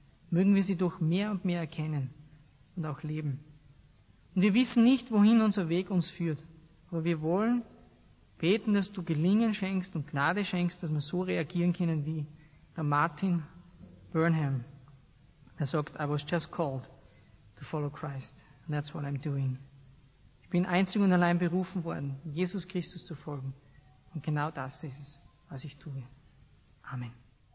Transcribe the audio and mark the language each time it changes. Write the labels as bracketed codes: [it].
[de] Mögen wir sie doch mehr und mehr erkennen und auch leben. Und wir wissen nicht, wohin unser Weg uns führt, aber wir wollen beten, dass du Gelingen schenkst und Gnade schenkst, dass wir so reagieren können wie der Martin Burnham. Er sagt, [en] I was just called to follow Christ. And that's what I'm doing. [de] Ich bin einzig und allein berufen worden, Jesus Christus zu folgen. Und genau das ist es, was ich tue. Amen.